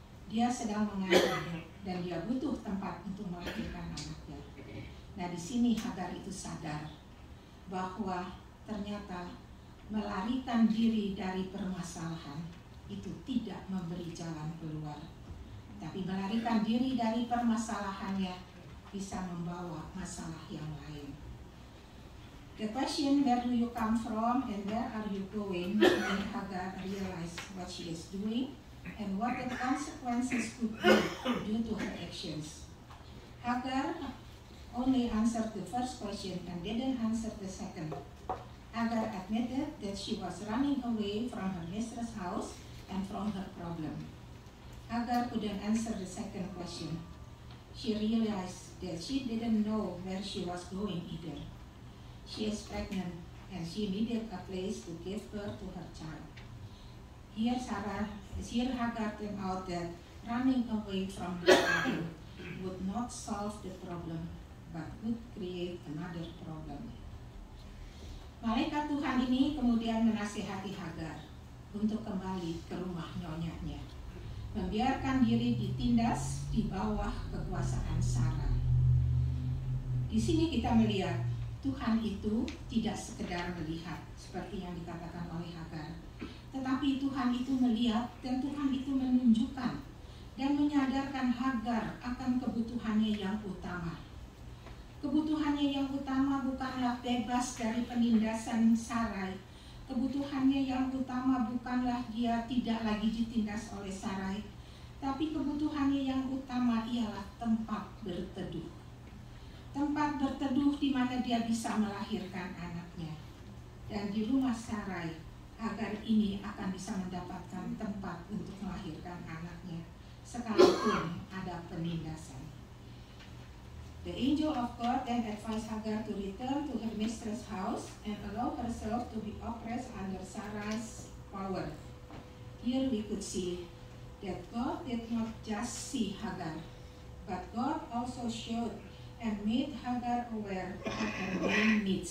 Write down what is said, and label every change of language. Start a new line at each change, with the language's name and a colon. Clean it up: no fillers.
Indonesian: Dia sedang mengandung dan dia butuh tempat untuk melahirkan anaknya. Nah di sini Hagar itu sadar bahwa ternyata melarikan diri dari permasalahan itu tidak memberi jalan keluar. Tapi melarikan diri dari permasalahannya bisa membawa masalah yang lain.
English: The question, where do you come from and where are you going, when Hagar realized what she is doing and what the consequences could be due to her actions. Hagar only answered the first question and didn't answer the second. Hagar admitted that she was running away from her mistress house and from her problem. Hagar couldn't answer the second question. She realized that she didn't know where she was going either. She is pregnant and she needed a place to give birth to her child. Here Hagar came out that running away from her problem would not solve the problem, but would create another problem.
Indonesian: Malaikat Tuhan ini kemudian menasihati Hagar untuk kembali ke rumah nyonyanya, membiarkan diri ditindas di bawah kekuasaan Sara. Di sini kita melihat Tuhan itu tidak sekedar melihat seperti yang dikatakan oleh Hagar, tetapi Tuhan itu melihat dan Tuhan itu menunjukkan dan menyadarkan Hagar akan kebutuhannya yang utama. Kebutuhannya yang utama bukanlah bebas dari penindasan Sarai. Kebutuhannya yang utama bukanlah dia tidak lagi ditindas oleh Sarai, tapi kebutuhannya yang utama ialah tempat berteduh. Tempat berteduh di mana dia bisa melahirkan anaknya. Dan di rumah Sarai, Hagar ini akan bisa mendapatkan tempat untuk melahirkan anaknya, sekalipun ada penindasan.
English: The angel of God then advised Hagar to return to her mistress house and allow herself to be oppressed under Sarai's power. Here we could see that God did not just see Hagar, but God also showed and made Hagar aware of her main needs.